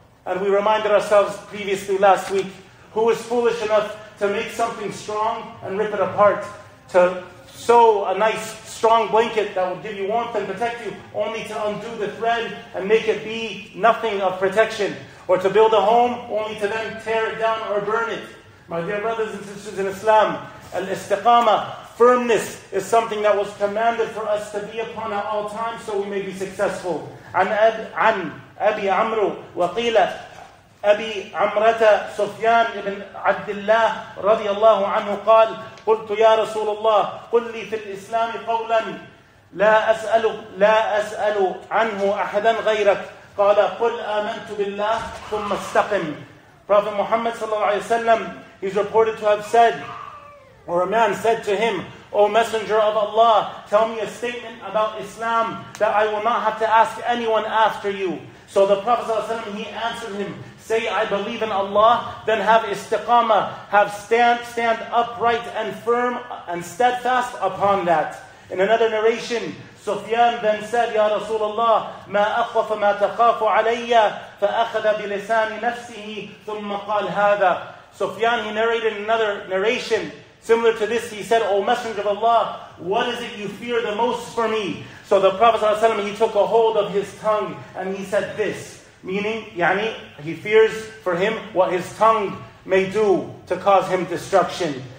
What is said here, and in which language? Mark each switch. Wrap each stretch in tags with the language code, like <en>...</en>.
<en>And we reminded ourselves previously last week, who is foolish enough to make something strong and rip it apart, to sew a nice strong blanket that will give you warmth and protect you, only to undo the thread and make it be nothing of protection, or to build a home only to then tear it down or burn it. My dear brothers and sisters in Islam, al-istiqamah, Firmness is something that was commanded for us to be upon at all times so we may be successful.</en> <ar>عن أبي عمرو وقيل أبي عمرة سفيان بن عبد الله رضي الله عنه قال قلت يا رسول الله قل لي في الإسلام قولا لا أسأل عنه أحدا غيرك قال قل آمنت بالله ثم استقم.</ar> <en>Prophet Muhammad</en> <ar>صلى الله عليه وسلم,</ar> <en>he's reported to have said, or a man said to him, O Messenger of Allah, tell me a statement about Islam that I will not have to ask anyone after you. So the Prophet ﷺ, he answered him, say, I believe in Allah, then have istiqamah, have stand upright and firm and steadfast upon that. In another narration, Sufyan then said, Ya Rasulullah,</en> <ar>ما أخف ما تخاف علي فأخذ بلسان نفسه ثم قال هذا.</ar> <en>Sufyan, he narrated another narration similar to this, he said, O Messenger of Allah, what is it you fear the most for me? So the Prophet ﷺ, he took a hold of his tongue and he said this, meaning, يعني, he fears for him what his tongue may do to cause him destruction.</en>